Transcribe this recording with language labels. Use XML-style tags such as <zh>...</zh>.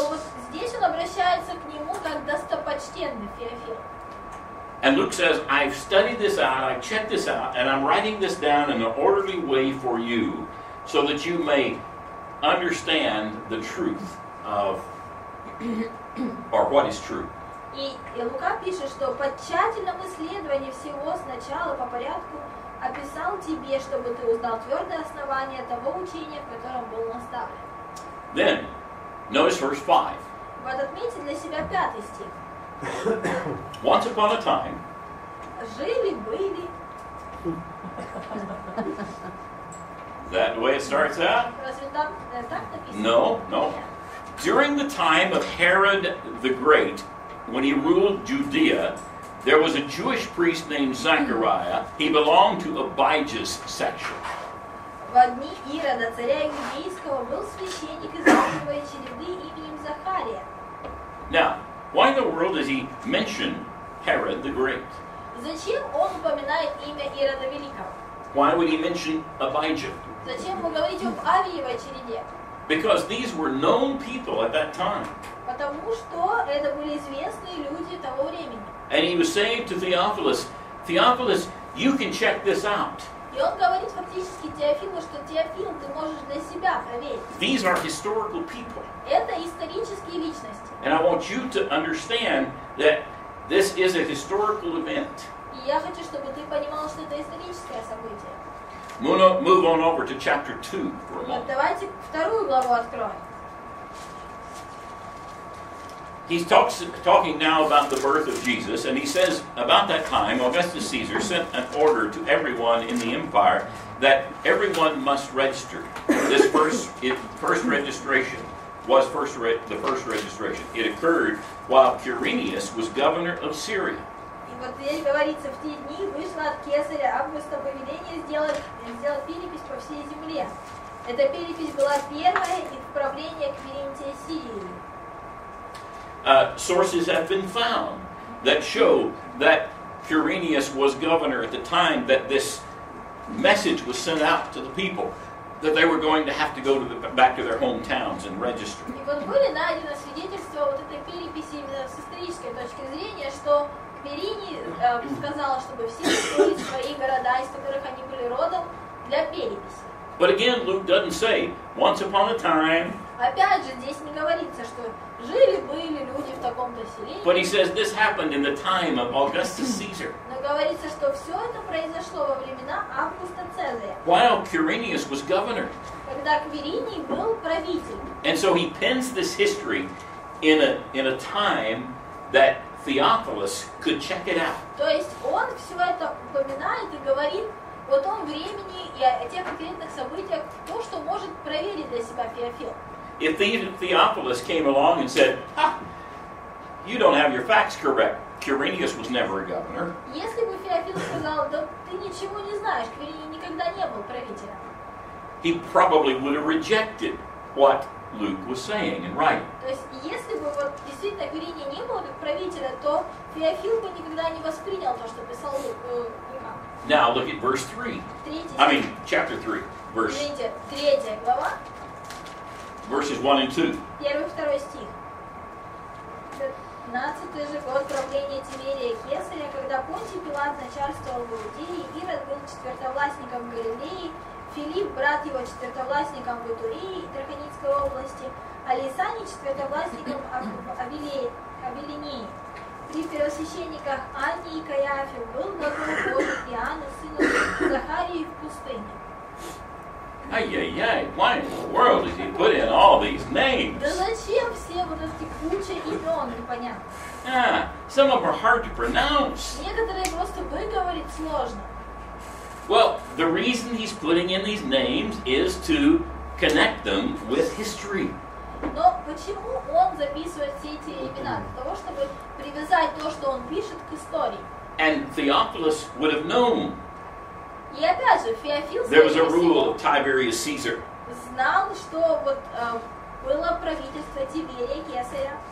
<ru>Но вот здесь он обращается к нему как достопочтенный Феофил.</ru> <en>And Luke says, I've studied this out, I checked this out, and I'm writing this down in an orderly way for you, so that you may understand the truth of, or what is true.</en> <ru>И Лука пишет, что по тщательному исследованию всего сначала по порядку описал тебе, чтобы ты узнал твердое основание того учения, в котором был наставлен.</ru> <en>Then, notice verse 5.</en> <ru>Вот отметьте для себя пятый стих.</ru> <en>Once upon a time,</en> <ru>жили-были.</ru> <en>That the way it starts out? No. During the time of Herod the Great, when he ruled Judea, there was a Jewish priest named Zechariah. He belonged to Abijah's section.</en> <ru>В дни Ирода, царя Иудейского, был священник из Иудеевой череды именем Захария.</ru> <en>Now, why in the world does he mention Herod the Great?</en> <ru>Зачем он упоминает имя Ирода Великого?</ru> <en>Why would he mention Abijah?</en> <ru>Зачем вы говорите об Авиевой череде?</ru> <en>Because these were known people at that time.</en> <ru>Потому что это были известные люди того времени.</ru> <en>And he was saying to Theophilus, Theophilus, you can check this out.</en> <ru>И он говорит фактически Теофилу, что Теофил, ты можешь для себя проверить.</ru> <en>These are historical people.</en> <ru>Это исторические личности.</ru> <en>And I want you to understand that this is a historical event.</en> <ru>И я хочу, чтобы ты понимал, что это историческое событие.</ru> <en>Move on over to chapter 2 for a moment.</en> <ru>Давайте вторую главу откроем.</ru> <en>He's talking now about the birth of Jesus, and he says, about that time, Augustus Caesar sent an order to everyone in the empire that everyone must register. This first registration was the first registration. It occurred while Quirinius was governor of Syria.</en> <ru>Вот здесь говорится, в те дни вышло от кесаря Августа повеление сделать перепись по всей земле. Эта перепись была первая из правления Квиринтия Сирии.</ru> <en>Sources have been found that show that Quirinius was governor at the time that this message was sent out to the people, that they were going to have to go to back to their hometowns and register.</en> <ru>И вот были найдены свидетельства вот этой переписи именно с исторической точки зрения, что Перини сказал, чтобы все были свои города, из которых они были родом, для переписи.</ru> <en>But again, Luke doesn't say, once upon a time.</en> <ru>Опять же, здесь не говорится, что жили-были люди в таком-то селении.</ru> <en>But he says, this happened in the time of Augustus Caesar.</en> <ru>Но говорится, что все это произошло во времена Августа Цезаря.</ru> <en>While Quirinius was governor.</en> <ru>Когда Квириний был правителем.</ru> <en>And so he pens this history in a time that Theophilus could check it out.</en> <ru>То есть он все это упоминает и говорит о том времени и о тех конкретных событиях, то, что может проверить для себя Феофил.</ru> <en>if Theophilus came along and said, ha, you don't have your facts correct, Quirinius was never a governor.</en> <ru>Если бы Феофил сказал, да ты ничего не знаешь, Квириний никогда не был правителем.</ru> <en>He probably would have rejected what Luke was saying and writing.</en> <ru>То есть если бы вот действительно Квириния не было как правителя, то Феофил бы никогда не воспринял то, что писал Лук.</ru> <en>Now look at verse 3. I mean, chapter 3, verse.</en> <ru>Третья глава.</ru> <en>Verses 1 and 2.</en> <ru>Первый, второй стих. 15-й же год правления Тиверия Кесаря, когда Понтий Пилат начальствовал в Иудее, Ирод был четвертовластником в Галилее, Филипп, брат его, четвертовластником в Итурии и Траханицкой области, а Лисаний четвертовластником Абилинии. При первосвященниках Анне и Каиафе был готов Божий Иоанна, сына Захарии, в пустыне. Ай-яй-яй,</ru> <en>why in the world did he put in all these names?</en> <ru>Да зачем все вот эти куча имен, непонятно.</ru> <en>Ah, some of them are hard to pronounce.</en> <ru>Некоторые просто выговорить сложно.</ru> <en>Well, the reason he's putting in these names is to connect them with history.</en> <ru>Но почему он записывает все эти имена? Для того, чтобы привязать то, что он пишет, к истории.</ru> <en>And Theophilus would have known.</en> <ru>И опять же, Феофил,</ru> <en>there was a rule of Tiberius Caesar.</en> <ru>Знал, что вот было правительство Тиберия Кесаря.</ru>